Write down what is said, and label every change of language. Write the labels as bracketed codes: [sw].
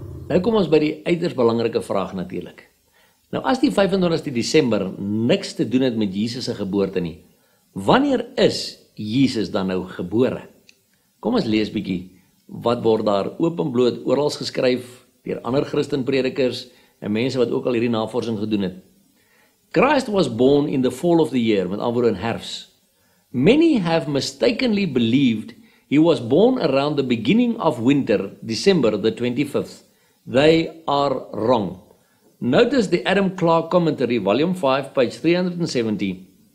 [af] Nou kom ons by die uiters belangrike vraag natuurlik. Nou as die 25ste Desember niks te doen het met Jesus se geboorte nie, wanneer is Jesus dan nou gebore? Kom ons lees bietjie wat word daar openbloot oral geskryf deur ander Christen predikers en mense wat ook al hierdie navorsing gedoen het. [en] Christ was born in the fall of the year, [af] met ander woorde in herfs. [en] Many have mistakenly believed he was born around the beginning of winter, December the 25th. They are wrong. Notice the Adam Clark commentary, volume 5, page 370.